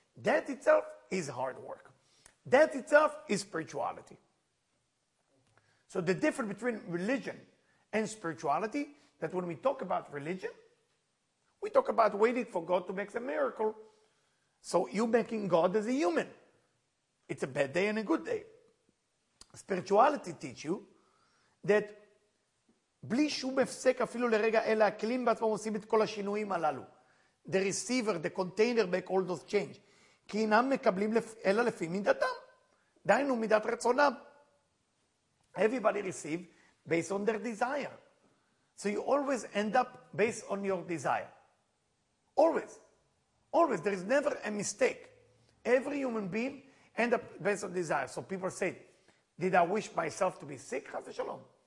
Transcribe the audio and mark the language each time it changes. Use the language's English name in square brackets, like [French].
[English] That itself is hard work. That itself is spirituality. So the difference between religion and spirituality, that when we talk about religion, we talk about waiting for God to make a miracle. So you making God as a human. It's a bad day and a good day. Spirituality teach you that [Hebrew] בלי שום הפסק אפילו לרגע אלה הכלים בעצמם עושים את כל השינויים הללו. [English] The receiver, the container make all those change. [Hebrew] כי אינם מקבלים אלא לפי מידתם. דיינו מידת רצונם. [English] Everybody receive based on their desire. So you always end up based on your desire. Always. Always. There is never a mistake. Every human being end up based on desire. So people say, did I wish myself to be sick? Chas v'shalom.